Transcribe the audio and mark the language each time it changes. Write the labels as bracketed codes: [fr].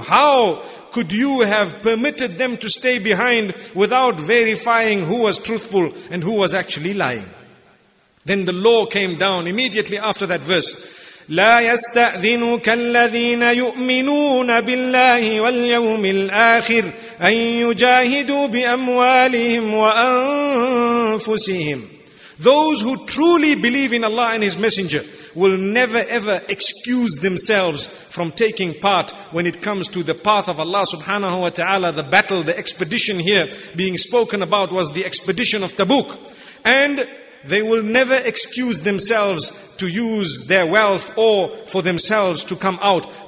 [en] How could you have permitted them to stay behind without verifying who was truthful and who was actually lying? Then the law came down immediately after that verse. [ar] لا يستأذنك الذين يؤمنون بالله واليوم الآخر أن يجاهدوا بأموالهم وأنفسهم. [en] Those who truly believe in Allah and His Messenger will never ever excuse themselves from taking part when it comes to the path of Allah subhanahu wa ta'ala. The battle, the expedition here being spoken about was the expedition of Tabuk. And they will never excuse themselves to use their wealth or for themselves to come out.